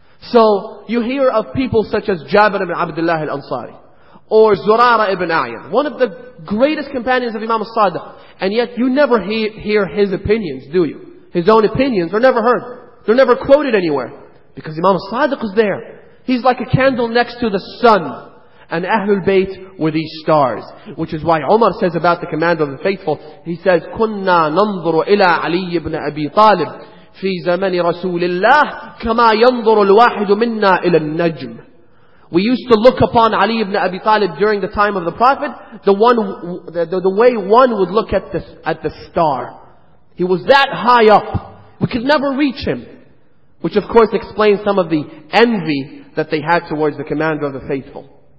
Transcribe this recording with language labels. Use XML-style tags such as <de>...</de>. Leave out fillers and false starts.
<en>So, you hear of people such as Jabir ibn Abdullah al-Ansari or Zurara ibn Ayyan, one of the greatest companions of Imam al-Sadiq, and yet you never hear his opinions, do you? His own opinions are never heard. They're never quoted anywhere. Because Imam al-Sadiq is there. He's like a candle next to the sun. And Ahlul Bayt were these stars. Which is why Umar says about the commander of the faithful, he says,</en> <ar>كُنَّا نَنظُرُ إِلَىٰ عَلِيِّ بْنَ أَبِي طَالِبٍ فِي زَمَنِ رَسُولِ اللَّهِ كَمَا يَنظُرُ الْوَاحِدُ مِنَّا إِلَى النَّجْمِ.</ar> <en>We used to look upon Ali ibn Abi Talib during the time of the Prophet, the way one would look at the star. He was that high up. We could never reach him. Which of course explains some of the envy that they had towards the commander of the faithful.</en>